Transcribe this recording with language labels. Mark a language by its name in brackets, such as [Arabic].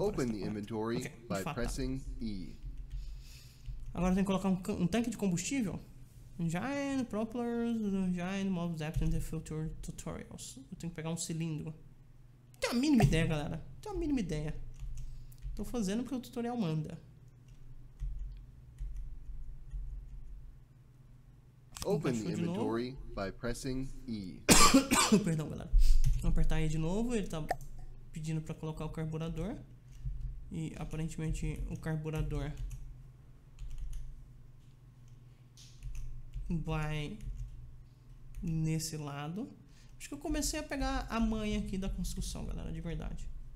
[English] Open the inventory by pressing E. [Portuguese] Agora tem que colocar um tanque de combustível? [English] Engine, propellers, engine, mobs, apps, and the filter tutorials. [Portuguese] Eu tenho que pegar um cilindro. Não tenho a mínima ideia, galera. Não tenho a mínima ideia. Tô fazendo porque o tutorial manda. [English] Open the inventory by pressing E. [Portuguese] Perdão, galera. Vou apertar E de novo, ele tá pedindo pra colocar o carburador. E aparentemente o carburador vai nesse lado. Acho que eu comecei a pegar a manha aqui da construção, galera, de verdade.